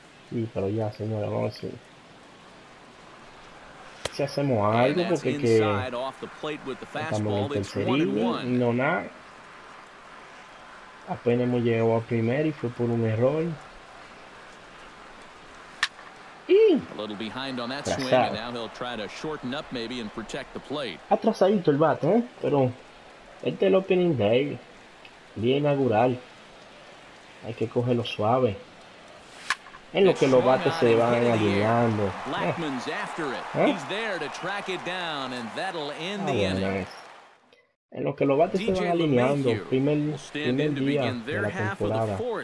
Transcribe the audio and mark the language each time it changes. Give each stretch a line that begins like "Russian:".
Spanish: Sí, pero ya, señora, vamos a ver si hacemos algo, porque que estamos en tercer inning, no nada. Apenas hemos llegado al primer y fue por un error.
English: A little behind on that swing, and now he'll try to shorten up maybe and protect the plate.
Spanish: Atrasadito el bate, pero este es el
English: opening day,
Spanish: día inaugural. Hay que cogerlo suave. En lo que los bates se van alineando.
English: Blackman's after it. He's there to track it down, and that'll end the inning.
Spanish: En lo que los bates se van alineando, primer día de la temporada.